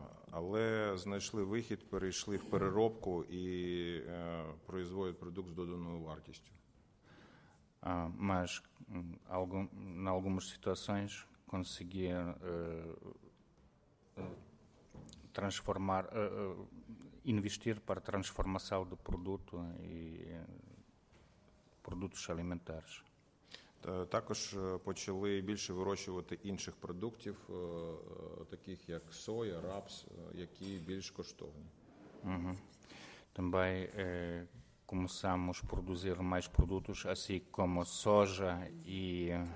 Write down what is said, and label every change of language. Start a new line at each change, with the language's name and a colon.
Ukrainian: Але знайшли вихід, перейшли в переробку і производять продукт з доданою вартістю.
Portuguese: Mas em algumas situações consegui transformar, investir para transformação do produto e produtos alimentares.
Ukrainian: Також почали більше вирощувати інших продуктів, таких як соя, рапс, які більш коштовні. Угу.
Portuguese: Também começamos a produzir mais produtos, assim como soja e...